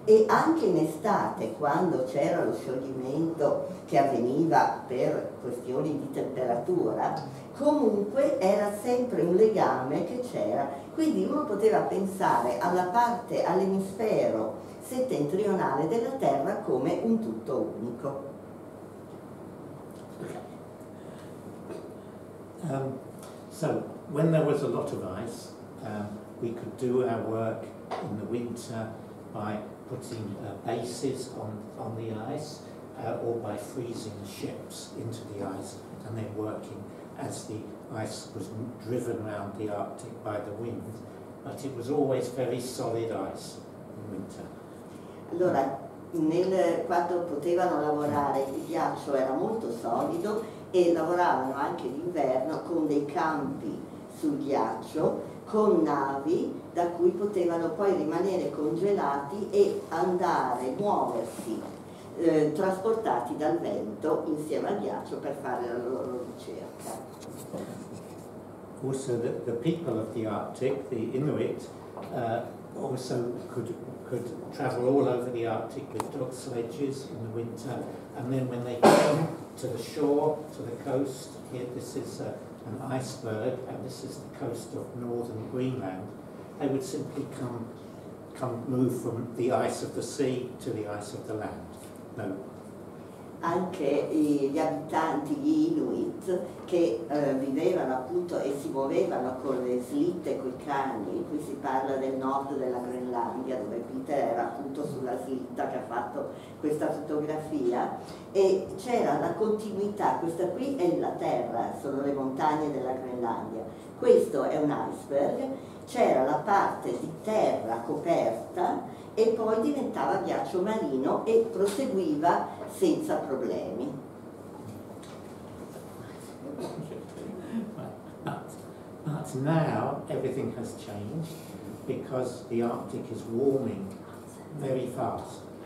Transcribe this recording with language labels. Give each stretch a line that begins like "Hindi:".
Italian: E anche in estate, quando c'era lo scioglimento che avveniva per questioni di temperatura, comunque era sempre un legame che c'era. Quindi uno poteva pensare alla parte, all'emisfero settentrionale della Terra come un tutto unico.
English: So when there was a lot of ice, we could do our work in the winter by putting bases on the ice, or by freezing ships into the ice and then working as the ice was driven around the Arctic by the wind, but it was always very solid ice in winter.
Italian: Allora, quando potevano lavorare, il ghiaccio era molto solido e lavoravano anche d'inverno con dei campi sul ghiaccio, con navi da cui potevano poi rimanere congelati e andare, muoversi, trasportati dal vento insieme al ghiaccio per fare la loro ricerca.
English: Also the people of the Arctic, the Inuit, also could travel all over the Arctic with dog sledges in the winter, and then when they came to the shore, to the coast, here this is an iceberg, and this is the coast of northern Greenland, they would simply come move from the ice of the sea to the ice of the land. No.
Italian: Anche gli abitanti, gli Inuit, che vivevano appunto e si muovevano con le slitte, con i cani, qui si parla del nord della Groenlandia, dove Peter era appunto sulla slitta che ha fatto questa fotografia, e c'era la continuità, questa qui è la terra, sono le montagne della Groenlandia, questo è un iceberg, c'era la parte di terra coperta e poi diventava ghiaccio marino e proseguiva senza problemi.
English: But now everything has changed because the Arctic is warming very fast.